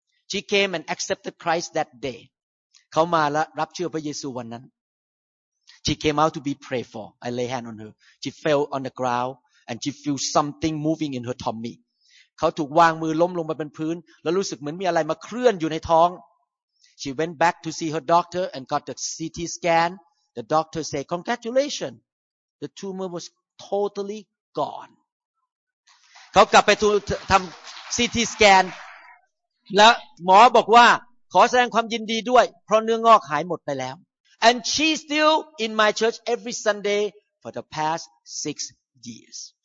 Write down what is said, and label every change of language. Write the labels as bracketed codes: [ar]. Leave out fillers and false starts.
[en] She came and accepted Christ that day [th] เขามาแล้วรับเชื่อพระเยซูวันนั้น [en] She came out to be prayed for I lay hand on her She fell on the ground and she feel something moving in her tummy [th] เขาถูกวางมือล้มลงไปบนพื้นแล้วรู้สึกเหมือนมีอะไรมาเคลื่อนอยู่ในท้อง [en] She went back to see her doctor and got the CT scan The doctor said congratulationsThe tumor was totally gone. [th] เขากลับไปทำ CT scan และหมอบอกว่าขอแสดงความยินดีด้วยเพราะเนื้องอกหายหมดไปแล้ว [en] And she's still in my church every Sunday for the past 6 years.